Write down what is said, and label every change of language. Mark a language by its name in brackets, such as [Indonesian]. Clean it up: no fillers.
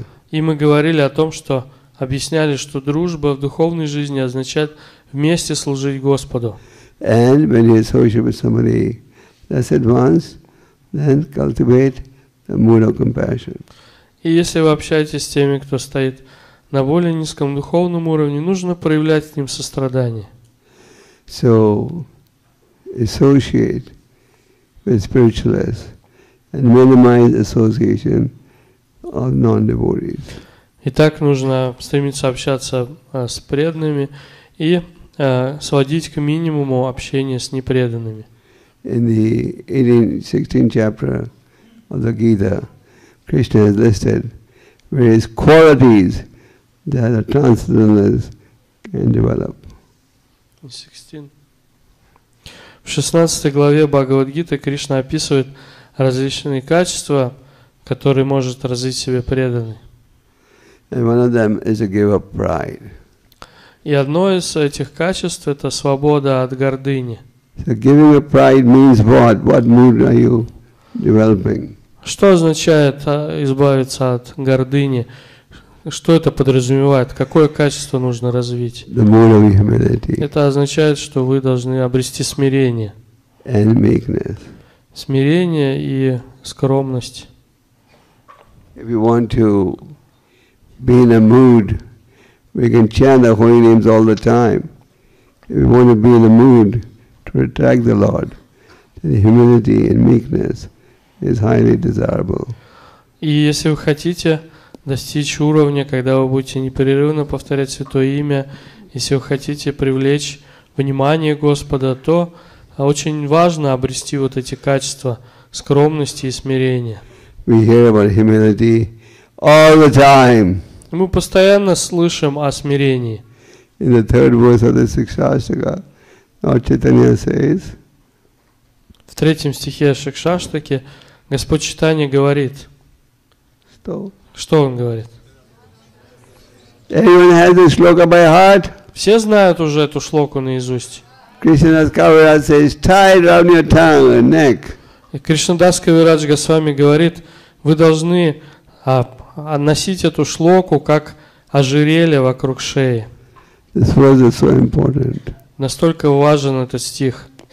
[Russian] И мы говорили о том, что объясняли, что дружба в духовной жизни означает вместе служить Господу. [English] And when you associate with somebody less advanced, then cultivate the mood of compassion. [Russian] И если вы общаетесь с теми, кто стоит на более низком духовном уровне, нужно проявлять к ним сострадание. [English] So associate with spiritualists and minimize association of non-devotees. [Russian] Итак, нужно стремиться общаться с преданными и сводить к минимуму общение с непреданными. [English] In the 18th chapter of the Gita, Krishna has listed various qualities that a transcendentalist can develop. [Russian] В 16 главе Бхагавад-гиты Кришна описывает различные качества, которые может развить себе преданный. [English] And one of them is to give up pride. [Russian] И одно из этих качеств – это свобода от гордыни. [English] So giving up pride means what? What mood are you developing? [Russian] Что означает избавиться от гордыни? Что это подразумевает? Какое качество нужно развить? [English] The mood of humility. [Russian] Это означает, что вы должны обрести смирение. [English] And meekness. [Russian] Смирение и скромность. [English] If you want to be in a mood, we can chant the holy names all the time. If we want to be in the mood to attract the Lord, then humility and meekness is highly desirable. [Russian] И если вы хотите достичь уровня, когда вы будете непрерывно повторять Святое Имя, если вы хотите привлечь внимание Господа, то очень важно обрести вот эти качества скромности и смирения. [English] We hear about humility all the time. [Russian] Мы постоянно слышим о смирении. [English] In the third verse of the Шикшаштака, Lord Chaitanya says. [Russian] В третьем стихе Шикшаштаки Господь Читания говорит. Что? Что он говорит? [English] Everyone has this shloka by heart. [Russian] Все знают уже эту шлоку наизусть. [English] Krishnadas Kaviraj says, tie it around your tongue and neck. [Russian] И Кришнадас Кавирадж Госвами говорит, вы должны носить эту шлоку как ожерелье вокруг шеи. [English] This verse is so important. [Russian] Настолько важен этот стих.